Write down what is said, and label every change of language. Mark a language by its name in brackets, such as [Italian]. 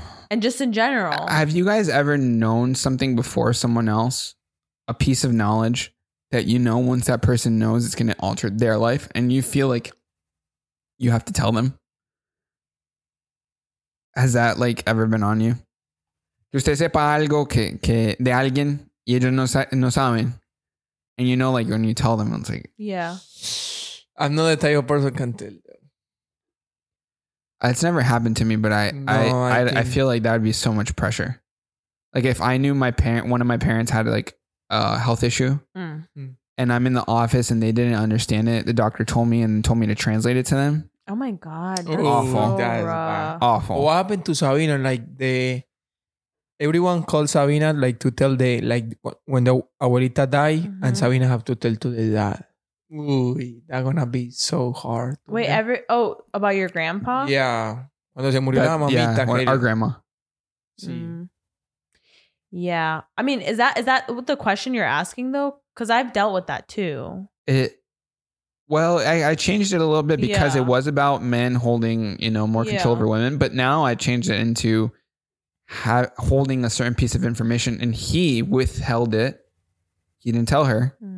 [English] And just in general. Have you guys ever known something before someone else? A piece of knowledge that you know once that person knows it's going to alter their life, and you feel like you have to tell them? Has that, ever been on you? [Spanish] Usted sepa algo que de alguien y ellos no saben. [English] And you know, when you tell them, it's like... Yeah. I'm not the type of person can tell them. It's never happened to me, but I feel like that would be so much pressure. Like, if I knew one of my parents had, a health issue, and I'm in the office and they didn't understand it, the doctor told me to translate it to them. Oh, my God. That's awful. What happened to Sabina? Everyone calls Sabina to tell the when the abuelita die and Sabina have to tell to the dad. Ooh, that's gonna be so hard. Wait, about your grandpa? Yeah. [Spanish] Cuando se murió la mamita, [English] our grandma. Yeah. I mean, is that the question you're asking though? Because I've dealt with that too. I changed it a little bit because it was about men holding, more control over women, but now I changed it into holding a certain piece of information and he withheld it. He didn't tell her.